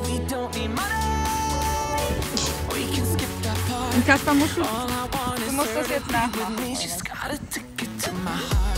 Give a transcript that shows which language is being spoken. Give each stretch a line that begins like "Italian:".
English: We don't need money. We can skip that part.
German: Und Kasper, du musst das jetzt nachmachen.
English: She's got a ticket to my heart.